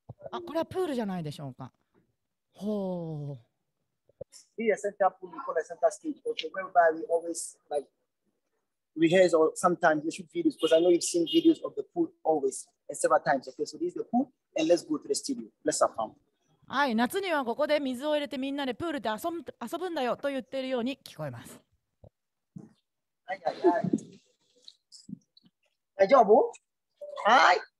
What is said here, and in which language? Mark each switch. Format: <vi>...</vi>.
<ja>あ、これはプールじゃないでしょうか。ほう、</ja> <en>Here at Center Pool, we call it Center Stage. Okay, whereby we always like rehearse or sometimes we shoot videos, because I know you've seen videos of the pool always and several times. Okay, so this is the pool, and let's go to the studio. Let's have fun.</en> <ja>はい、夏にはここで水を入れてみんなでプールで遊ぶんだよと言っているように聞こえます。はいはいはい、大丈夫、はい、</ja>